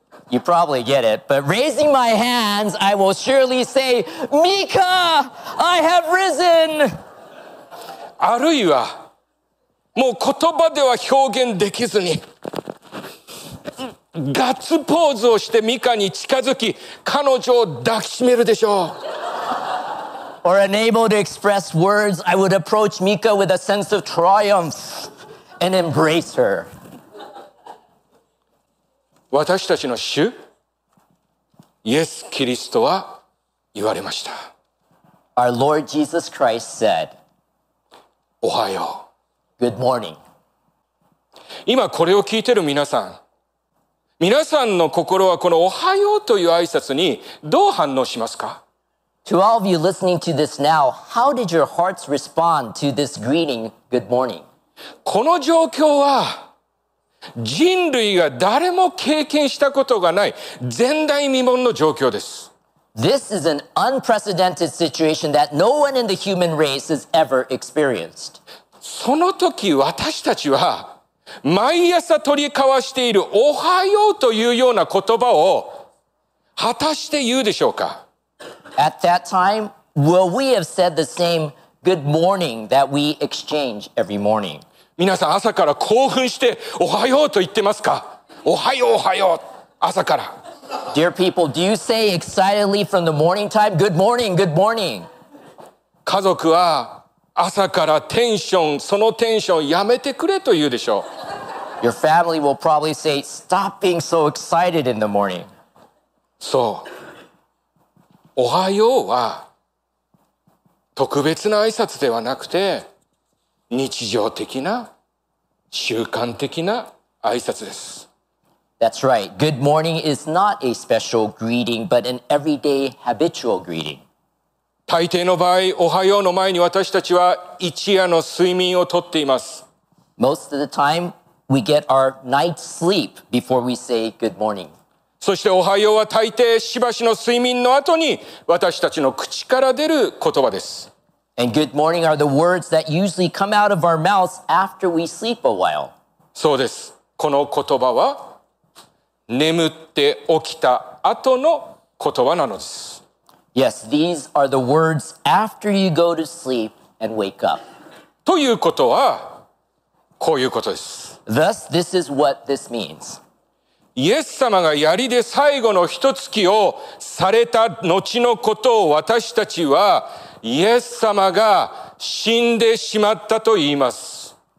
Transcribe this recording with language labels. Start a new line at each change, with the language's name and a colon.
English: You probably get it, but raising my hands, I will surely say, Mika, I have risen!
Japanese: あるいは、もう言葉では表現できずに、ガッツポーズをしてミカに近づき、彼女を抱きしめるでしょう。
English: Or unable to express words, I would approach Mika with a sense of triumph and embrace her.
Japanese: 私たちの主、イエス・キリストは言われました。
English: Our Lord Jesus Christ said,
Japanese: おはよう。
English: Good morning.
Japanese: 今これを聞いている皆さん、皆さんの心はこのおはようという挨拶にどう反応しますか?
English: To all of you listening to this now, how did your hearts respond to this greeting, good morning?
Japanese: この状況は、人類が誰も経験したことがない前代未聞の状況です。
English: This is an unprecedented situation that no one in the human race has ever experienced.
Japanese: その時私たちは毎朝取り交わしているおはようというような言葉を果たして言うでしょうか?
English: At that time, will we have said the same good morning that we exchange every morning?
Japanese: 皆さん朝から興奮しておはようと言ってますか? おはようおはよう朝から。
English: Dear people, do you say excitedly from the morning time? Good morning, good morning.
Japanese: 家族は朝からテンション、そのテンションやめてくれと言うでしょう。
English: Your family will probably say, stop being so excited in the morning.
Japanese: そう。おはようは特別な挨拶ではなくて、日常的な、習慣的な挨拶です。
English: That's right. Good morning is not a special greeting, but an everyday habitual greeting.
Japanese: 大抵の場合、おはようの前に私たちは一夜の睡眠をとっています。
English: Most of the time, we get our night's sleep before we say good morning.
Japanese: そしておはようは大抵しばしの睡眠の後に私たちの口から出る言葉です。
English: And good morning are the words that usually come out of our mouths after we sleep a while.
Japanese: そうです。この言葉は眠って起きた後の言葉なのです。
English: Yes, these are the words after you go to sleep and wake up.
Japanese: ということはこういうことです。
English: Thus, this is what this means.
Japanese: イエス様が槍で最後の一月をされた後のことを私たちはイエス様が死んでしまったと言います。